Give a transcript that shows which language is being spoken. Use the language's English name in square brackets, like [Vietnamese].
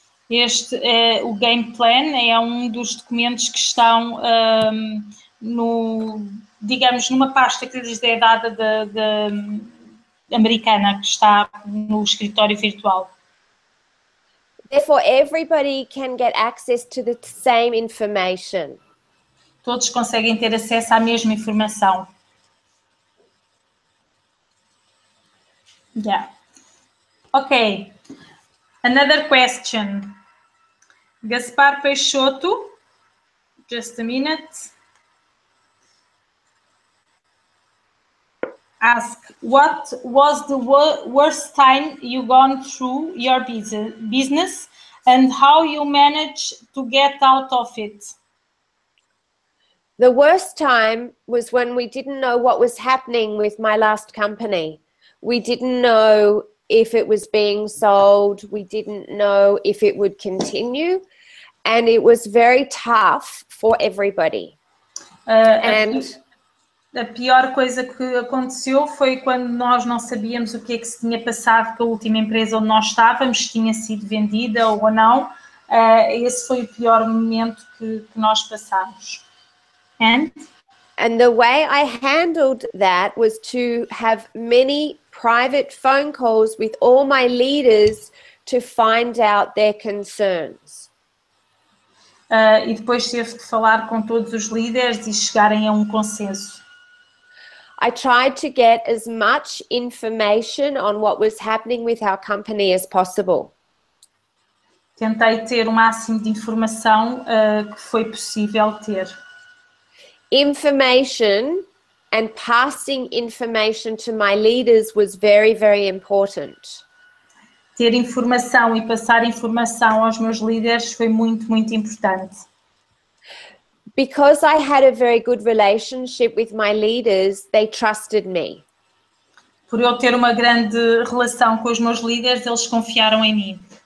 [Portuguese] Este é o game plan, é um dos documentos que estão no, digamos, numa pasta que lhes é dada da americana, que está no escritório virtual. [English] Therefore, everybody can get access to the same information. [Portuguese] Todos conseguem ter acesso à mesma informação. [English] Yeah. Okay, another question. Gaspar Peixoto, just a minute. Ask, what was the worst time you gone through your business and how you managed to get out of it? The worst time was when we didn't know what was happening with my last company. We didn't know if it was being sold, we didn't know if it would continue, and it was very tough for everybody. And [Portuguese] A pior coisa que aconteceu foi quando nós não sabíamos o que é que se tinha passado com a última empresa onde nós estávamos, se tinha sido vendida ou não. Esse foi o pior momento que nós passámos. [English] And the way I handled that was to have many private phone calls with all my leaders to find out their concerns. [Portuguese] E depois teve que falar com todos os líderes e chegarem a um consenso. [English] I tried to get as much information on what was happening with our company as possible. [Portuguese] Tentei ter o máximo de informação que foi possível ter. [English] Information and passing information to my leaders was very, very important. [Portuguese] Ter informação e passar informação aos meus líderes foi muito, muito importante. [English] Because I had a very good relationship with my leaders, they trusted me. [Portuguese] Por eu ter uma grande relação com os meus líderes, eles confiaram em mim.